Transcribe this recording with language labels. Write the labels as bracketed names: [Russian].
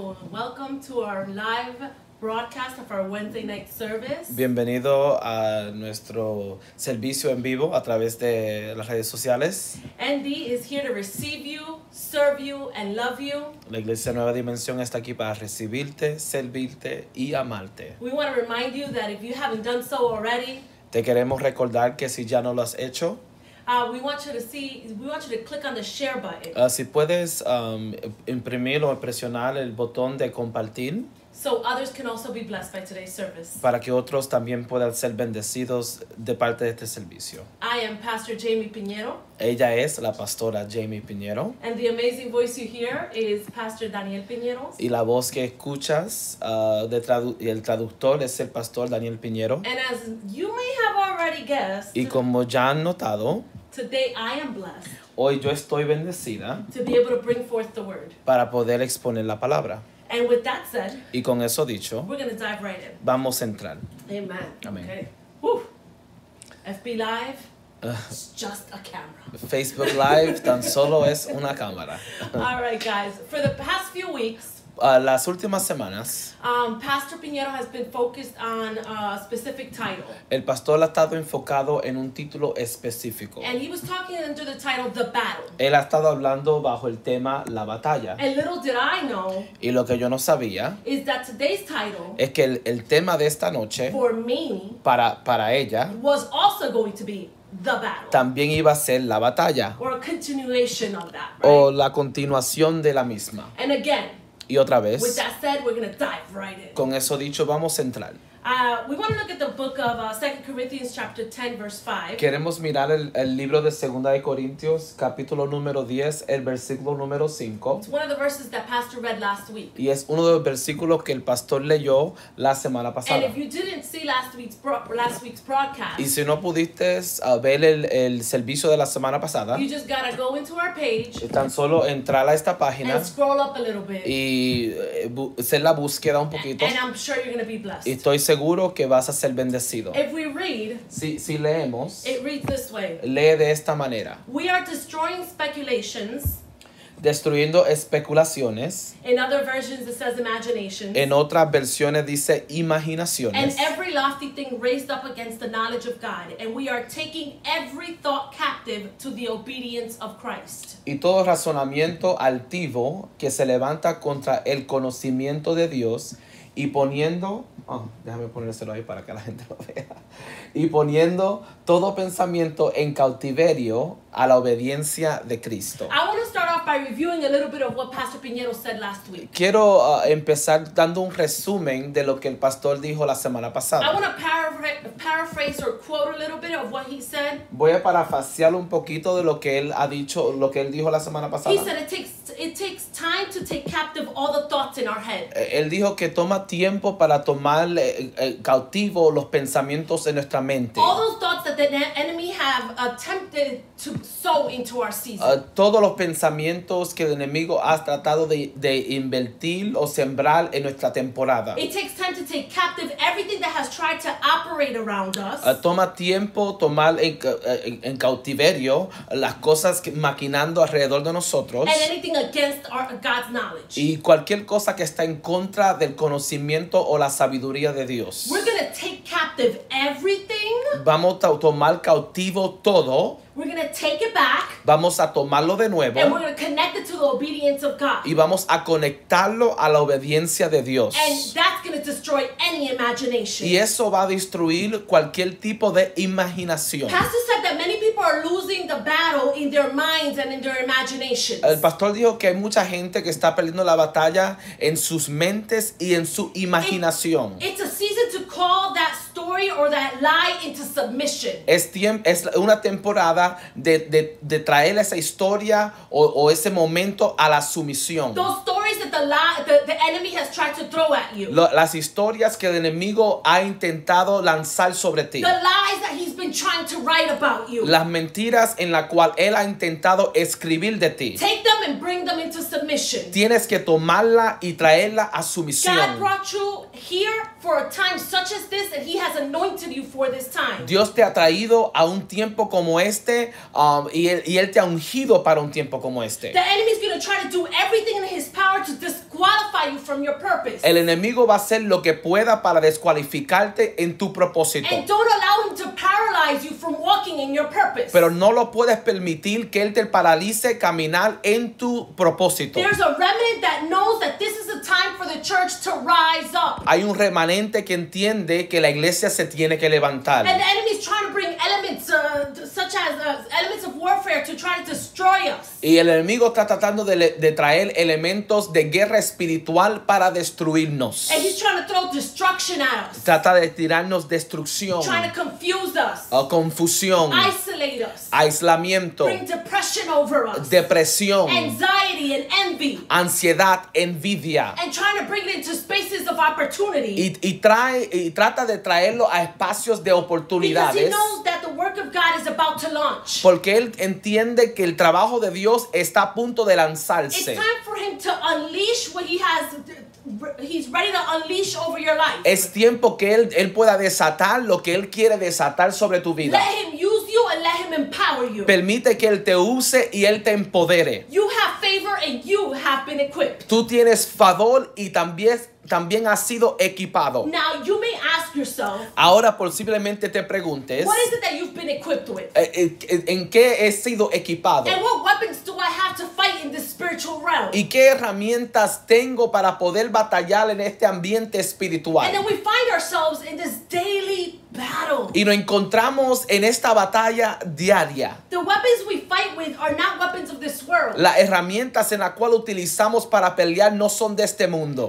[English] welcome to our live broadcast of our Wednesday night service. [Spanish] Bienvenido a nuestro servicio en vivo a través de las redes sociales. [English] Andy is here to receive you, serve you, and love you. [Spanish] La Iglesia Nueva Dimensión está aquí para recibirte, servirte y amarte. [English] We want to remind you that if you haven't done so already, [Spanish] te queremos recordar que si ya no lo has hecho, [English] we want you to click on the share button. [Spanish] Si puedes imprimir o presionar el botón de compartir. [English] So others can also be blessed by today's service. [Spanish] Para que otros también puedan ser bendecidos de parte de este servicio. [English] I am Pastor Jamie Piñero. [Spanish] Ella es la pastora Jamie Piñero. [English] And the amazing voice you hear is Pastor Daniel Piñero. [Spanish] Y la voz que escuchas el traductor es el pastor Daniel Piñero. [English] And as you may have already guessed, [Spanish] y como ya han notado, [English] today I am blessed. [Spanish] Hoy yo estoy bendecida [English] to be able to bring forth the word. [Spanish] Para poder exponer la palabra. [English] And with that said, [Spanish] y con eso dicho, [English] we're going to dive right in. [Spanish] Vamos a entrar. [English] Amen. [Spanish] Amen. [English] Okay. FB Live, it's just a camera. [Spanish] Facebook Live tan solo es una cámara. [English] All right, guys. For the past few weeks, [Spanish] las últimas semanas, [English] Pastor Piñero has been focused on a specific title. [Spanish] El pastor ha estado enfocado en un título específico. [English] And he was talking under the title The Battle. [Spanish] Él ha estado hablando bajo el tema La Batalla. [English] And little did I know, [Spanish] y lo que yo no sabía, [English] is that today's title, [Spanish] es que el tema de esta noche, [English] for me, [Spanish] para ella, [English] was also going to be The Battle. [Spanish] También iba a ser La Batalla. [English] Or a continuation of that, right? [Spanish] O la continuación de la misma. [English] And again, [Spanish] y otra vez, [English] with that said, we're going to dive right in. [Spanish] Con eso dicho, vamos a entrar. [English] We want to look at the book of 2 Corinthians chapter 10, verse 5. [Spanish] Queremos mirar el libro de 2 Corintios, capítulo número 10, el versículo número 5. [English] It's one of the verses that Pastor read last week. [Spanish] Y es uno de los versículos que el pastor leyó la semana pasada. [English] And if you didn't see last week's broadcast, [Spanish] y si no pudiste ver el servicio de la semana pasada, [English] you just gotta go into our page, [Spanish] tan solo entrar a esta página, [English] and scroll up a little bit, [Spanish] y hacer la búsqueda un poquito, [English] and I'm sure you're gonna be blessed. [Spanish] Y estoy seguro que vas a ser bendecido. [English] If we read, [Spanish] si leemos, [English] it reads this way. [Spanish] Lee de esta manera. [English] We are destroying speculations. [Spanish] Destruyendo especulaciones. [English] In other versions it says imaginations. [Spanish] En otras versiones dice imaginaciones. [English] And every lofty thing raised up against the knowledge of God. And we are taking every thought captive to the obedience of Christ. [Spanish] Y todo razonamiento altivo que se levanta contra el conocimiento de Dios y poniendo... déjame ponérselo ahí para que la gente lo vea. Y poniendo todo pensamiento en cautiverio a la obediencia de Cristo. [English] I want to start off by reviewing a little bit of what Pastor Piñero said last week. [Spanish] Quiero empezar dando un resumen de lo que el pastor dijo la semana pasada. [English] I want to paraphrase or quote a little bit of what he said. [Spanish] Voy a parafrasear un poquito de lo que él ha dicho, lo que él dijo la semana pasada. [English] He said it takes time to take captive all the thoughts in our head. [Spanish] Él dijo que toma tiempo para tomar cautivo los pensamientos en nuestra mente. [English] All those thoughts that the enemy have attempted to sow into our season. [Spanish] Todos los pensamientos que el enemigo ha tratado de invertir o sembrar en nuestra temporada. [English] It takes time to take captive everything that has tried to operate around us. [Spanish] Toma tiempo tomar en cautiverio las cosas que, maquinando alrededor de nosotros. [English] And anything against God's knowledge. [Spanish] Y cualquier cosa que está en contra del conocimiento o la sabiduría de Dios. [English] We're going to take captive everything. [Spanish] Vamos a tomar cautivo todo. [English] We're going to take it back. [Spanish] Vamos a tomarlo de nuevo. [English] And we're going to connect it to the obedience of God. [Spanish] Y vamos a conectarlo a la obediencia de Dios. [English] And that's going to destroy any imagination. [Spanish] Y eso va a destruir cualquier tipo de imaginación. [English] Pastor said that many people are losing the battle in their minds and in their imaginations. [Spanish] El pastor dijo que hay mucha gente que está perdiendo la batalla en sus mentes y en su imaginación. [English] It's a season to call that story or that lie into submission. [Spanish] Es una temporada de traer esa historia o ese momento a la sumisión. [English] Those stories that the enemy has tried to throw at you. [Spanish] Las historias que el enemigo ha intentado lanzar sobre ti. [English] The lies that he's been trying to write about you. [Spanish] Las mentiras en la cual él ha intentado escribir de ti. [English] Take them and bring them into submission. [Spanish] Tienes que tomarla y traerla a sumisión. [English] God brought you here for a time such as this, and he has anointed you for this time. [Spanish] Dios te ha traído a un tiempo como este, y él te ha ungido para un tiempo como este. [English] The enemy is going to try to do everything in his power to disqualify you from your purpose. [Spanish] El enemigo va a hacer lo que pueda para descualificarte en tu propósito. [English] And don't allow him to paralyze you from walking in your purpose. [Spanish] Pero no lo puedes permitir que él te paralice caminar en tu propósito. [English] There's a remnant that knows that this is the time for the church to rise up. [Spanish] Hay un remanente que entiende que la iglesia se tiene que levantar. [English] And the enemy is trying to bring elements elements of warfare to try to destroy us. [Spanish] Y el enemigo está tratando de traer elementos de guerra espiritual para destruirnos. [English] And he's trying to throw destruction at us. [Spanish] Trata de tirarnos destrucción. [English] Trying to confuse us. [Spanish] Confusión. [English] Isolate us. [Spanish] Aislamiento. [English] Bring depression over us. [Spanish] Depresión. [English] Anxiety and envy. [Spanish] Ansiedad, envidia. [English] And trying to bring it into spaces of opportunity. [Spanish] Y trata de traerlo a espacios de oportunidades. [English] Because he knows that the work of God is about to launch. [Spanish] Porque él entiende que el trabajo de Dios está a punto de lanzarse. [English] It's time for him to unleash what he has. He's ready to unleash over your life. [Spanish] Es tiempo que él pueda desatar lo que él quiere desatar sobre tu vida. [English] Let him use you and let him empower you. [Spanish] Permite que él te use y él te empodere. [English] You have favor and you have been equipped. [Spanish] Tú tienes favor y también has sido equipado. [English] Now you may ask yourself. [Spanish] Ahora posiblemente te preguntes. [English] What is it that you've been equipped with? [Spanish] ¿En qué he sido equipado? [English] And what weapons do I have to fight in this spiritual realm? [Spanish] ¿Y qué herramientas tengo para poder batallar en este ambiente espiritual? [English] And then we find ourselves in this daily battle. [Spanish] Y nos encontramos en esta batalla diaria. [English] The weapons we fight with are not weapons of this world. [Spanish] Las herramientas en la cual utilizamos para pelear no son de este mundo.